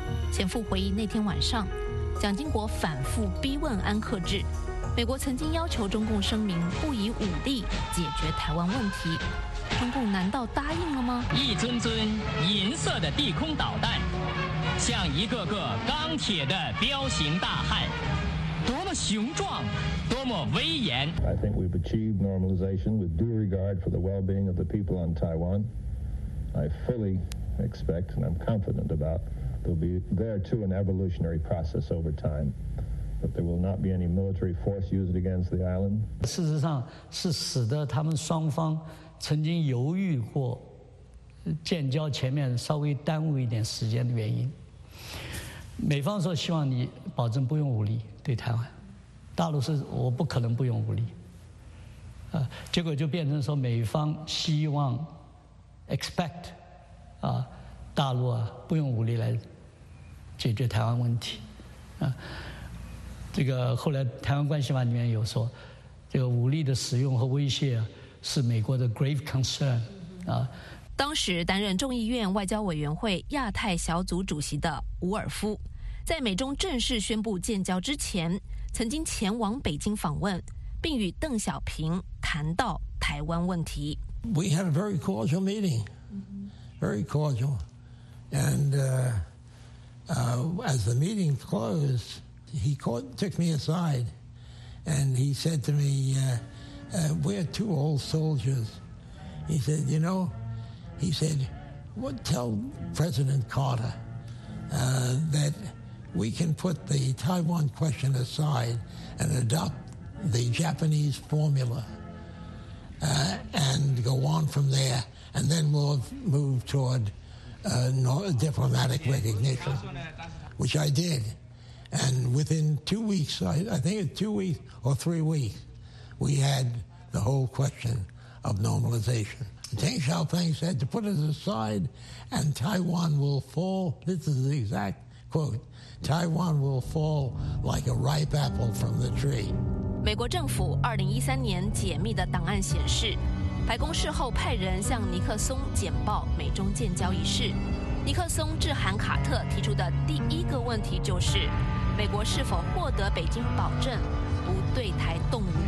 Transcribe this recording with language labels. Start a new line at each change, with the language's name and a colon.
Chinese: 前夫回忆，那天晚上蒋经国反复逼问安克志，美国曾经要求中共声明不以武力解决台湾问题，中共难道答应了吗？一尊尊银色的地空导弹，像一个个钢铁的彪形大汉，多么雄壮，多么威严。
English: I think we've achieved normalization with due regard for the well-being of the people on Taiwan. I fully expect and I'm confident about there'll be there too an evolutionary process over time. But there will not be any military force used against the island.
Chinese: 事实上是使得他们双方曾经犹豫过建交前面稍微耽误一点时间的原因。美方说希望你保证不用武力对台湾，大陆是我不可能不用武力。结果就变成说美方希望 expect 啊，大陆啊不用武力来解决台湾问题，啊。这个后来《台湾关系法》里面有说，这个武力的使用和威胁是美国的
English: grave concern
Chinese: 啊。当时担任众议院外交委员会亚太小组主席的伍尔夫，在美中正式宣布建交之前，曾经前往北京访问，并与邓小平谈到台湾问题。
English: We had a very cordial meeting, very cordial, and as the meeting closed. He caught, took me aside and he said to me, we're two old soldiers. He said, you know, he said, what, tell President Carter that we can put the Taiwan question aside and adopt the Japanese formula and go on from there. And then we'll move toward diplomatic recognition, which I did. And within 2 weeks, I think it's 2 weeks or 3 weeks, we had the whole question of normalization. Deng Xiaoping said to put it aside and Taiwan will fall, this is the exact quote, Taiwan will fall like a ripe apple from the tree.
Chinese: 美国政府2013年解密的档案显示，白宫事后派人向尼克松简报美中建交一事。尼克松致函卡特提出的第一个问题就是，美国是否获得北京保证不对台动武？